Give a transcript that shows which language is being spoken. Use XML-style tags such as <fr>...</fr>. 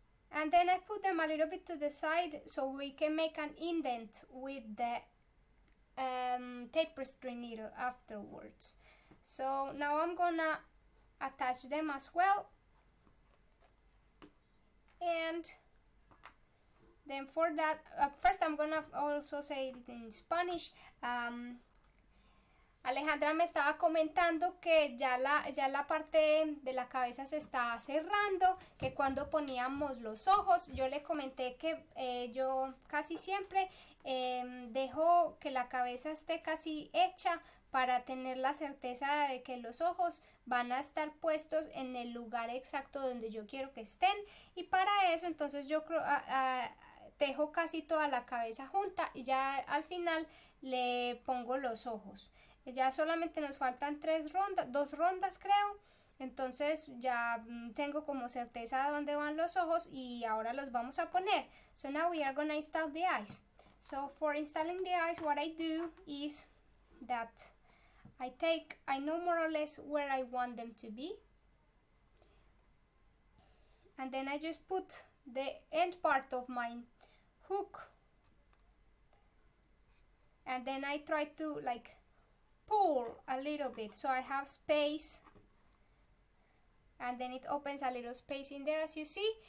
<en>And then I put them a little bit to the side so we can make an indent with the tapestry needle afterwards. So now I'm gonna attach them as well. And then for that, first I'm gonna also say it in Spanish.</en> <es>Alejandra me estaba comentando que ya la parte de la cabeza se está cerrando, que cuando poníamos los ojos, yo le comenté que yo casi siempre dejo que la cabeza esté casi hecha para tener la certeza de que los ojos van a estar puestos en el lugar exacto donde yo quiero que estén, y para eso entonces yo creo... Tejo casi toda la cabeza junta y ya al final le pongo los ojos. Ya solamente nos faltan dos rondas creo. Entonces ya tengo como certeza de dónde van los ojos y ahora los vamos a poner.</es> <en>So now we are gonna install the eyes. So for installing the eyes, what I do is that I know more or less where I want them to be. And then I just put the end part of mine hook, and then I try to like pull a little bit so I have space, and then it opens a little space in there, as you see.</en>